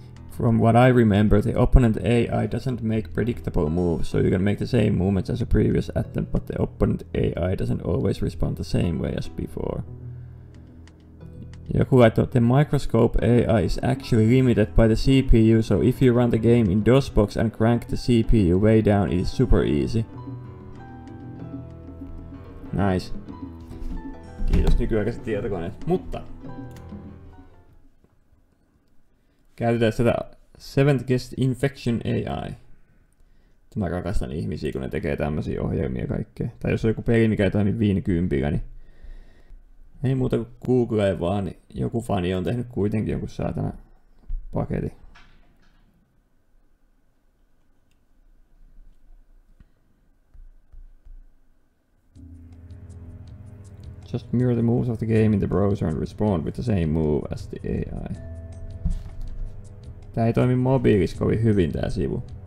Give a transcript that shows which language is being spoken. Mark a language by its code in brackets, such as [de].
[en] From what I remember, the opponent AI doesn't make predictable moves, so you can make the same movements as a previous attempt, but the opponent AI doesn't always respond the same way as before. [fi] Joku laittoi, että [en] the microscope AI is actually limited by the CPU, so if you run the game in DOSBox and crank the CPU way down, it is super easy. Nice. [fi] Kiitos nykyaikaiset tietokoneet. Mutta käytetään sitä [en] 7th Guest Infection AI. [fi] Mä rakastan ihmisiä, kun ne tekee tämmösiä ohjelmia kaikkea. Tai jos on joku peli, mikä ei toimi 50, niin ei muuta kuin googlee vaan, niin joku fani on tehnyt kuitenkin jonkun saatana paketin. [en] Just mirror the moves of the game in the browser and respond with the same move as the AI. [fi] Tää ei toimi mobiilis kovin hyvin tää sivu.